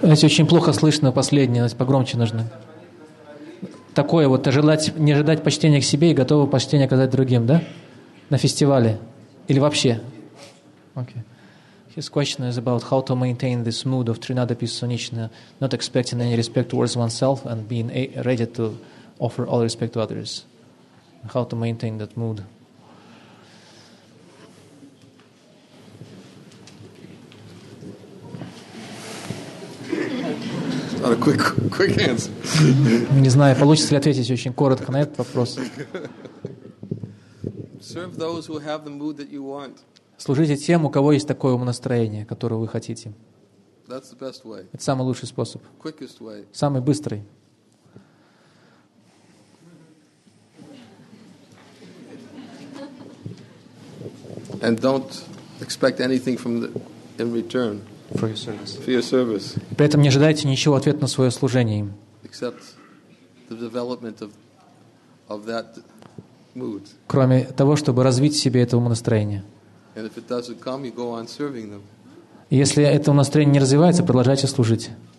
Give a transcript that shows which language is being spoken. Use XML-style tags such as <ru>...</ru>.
<ru>Если очень плохо слышно последнее, погромче нужно. Такое вот, желать, не ожидать почтения к себе и готовы почтение оказать другим, да? На фестивале. Или вообще? Okay.</ru> <en>His question is about how to maintain this mood of Trinada Pisanichna, not expecting any respect towards oneself and being ready to offer all respect to others. How to maintain that mood? Not a quick answer.</en> <ru>Не знаю, получится ли ответить очень коротко на этот вопрос.</ru> <en>Serve those who have the mood that you want.</en> <ru>Служите тем, у кого есть такое настроение, которое вы хотите. Это самый лучший способ.</ru> <en>Way.</en> <ru>Самый быстрый.</ru> <en>And don't expect anything from the, in return. For your service. For your service.</en> <ru>И при этом не ожидайте ничего в ответ на свое служение им.</ru> <en>Except the development of that mood.</en> <ru>Кроме того, чтобы развить себе это настроение.</ru> <en>And if it doesn't come, you go on serving them.</en> <ru>Если это настроение не развивается, продолжайте служить.</ru>